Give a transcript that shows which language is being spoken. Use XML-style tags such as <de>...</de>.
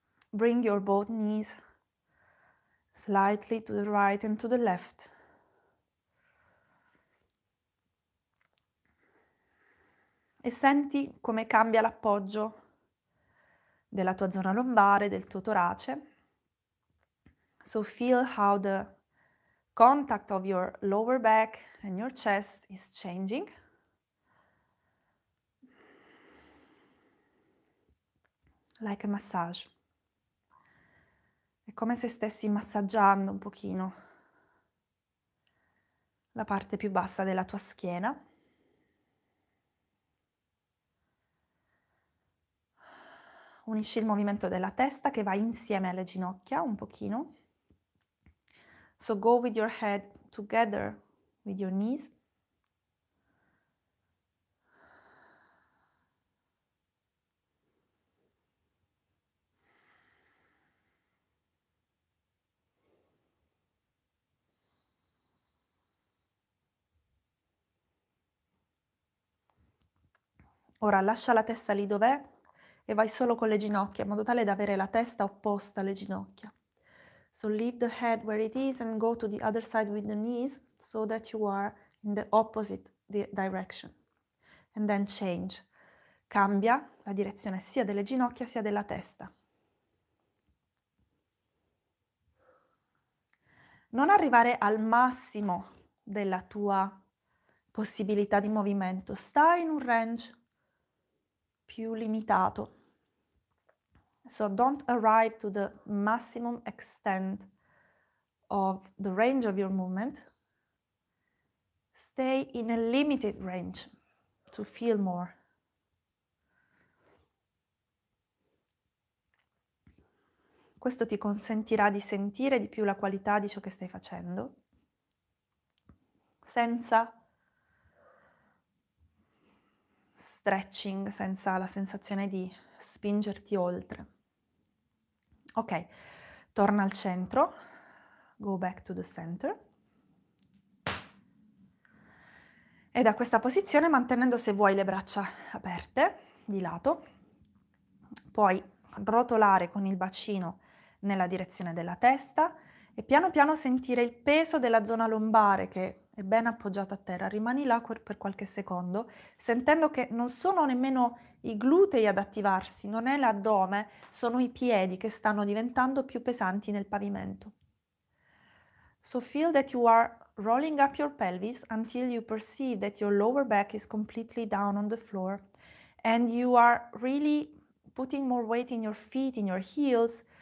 <en>Bring your both knees slightly to the right and to the left.</en> <it>E senti come cambia l'appoggio della tua zona lombare, del tuo torace.</it> <en>So feel how the contact of your lower back and your chest is changing. Like a massage.</en> <it>È come se stessi massaggiando un pochino la parte più bassa della tua schiena. Unisci il movimento della testa che va insieme alle ginocchia un pochino.</it> <en>So go with your head together with your knees.</en> <it>Ora lascia la testa lì dov'è e vai solo con le ginocchia, in modo tale da avere la testa opposta alle ginocchia.</it> <en>So leave the head where it is and go to the other side with the knees so that you are in the opposite direction. And then change.</en> <it>Cambia la direzione sia delle ginocchia sia della testa. Non arrivare al massimo della tua possibilità di movimento. Stai in un range più limitato.</it> <en>So don't arrive to the maximum extent of the range of your movement. Stay in a limited range to feel more.</en> <it>Questo ti consentirà di sentire di più la qualità di ciò che stai facendo, senza stretching, senza la sensazione di spingerti oltre. Ok, torna al centro,</it> <en>go back to the center.</en> <it>E da questa posizione, mantenendo se vuoi le braccia aperte di lato, puoi rotolare con il bacino nella direzione della testa e piano piano sentire il peso della zona lombare che è ben appoggiata a terra. Rimani là per qualche secondo, sentendo che non sono nemmeno i glutei ad attivarsi, non è l'addome, sono i piedi che stanno diventando più pesanti nel pavimento.</it> <en>So feel that you are rolling up your pelvis until you perceive that your lower back is completely down on the floor and you are really putting more weight in your feet, in your heels.</en>